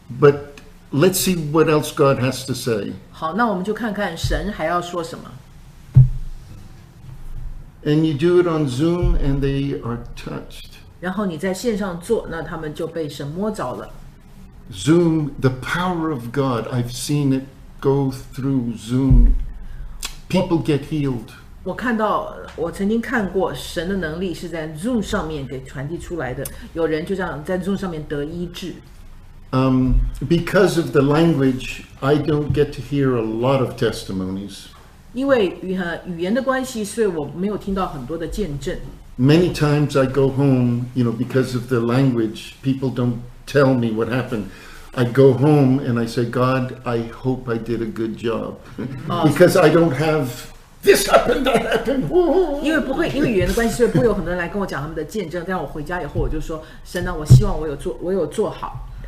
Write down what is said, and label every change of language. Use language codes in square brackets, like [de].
[en] But Let's see what else God has to say. [zh] 好，那我们就看看神还要说什么。 [en] And you do it on Zoom, and they are touched. [zh] 然后你在线上做，那他们就被神摸着了。 [en] Zoom, the power of God. I've seen it go through Zoom. People get healed. [zh] 我看到，我曾经看过神的能力是在 Zoom 上面给传递出来的。有人就这样在 Zoom 上面得医治。 [en] Because of the language, I don't get to hear a lot of testimonies. [zh] 因为语言的关系，所以我没有听到很多的见证。 [en] Many times I go home, you know, because of the language, people don't tell me what happened. I go home and I say, God, I hope I did a good job. Because I don't have, this happened, that happened. [zh] 因为不会，因为语言的关系，所以不会有很多人来跟我讲他们的见证。但我回家以后，我就说，神啊，我希望我有做好。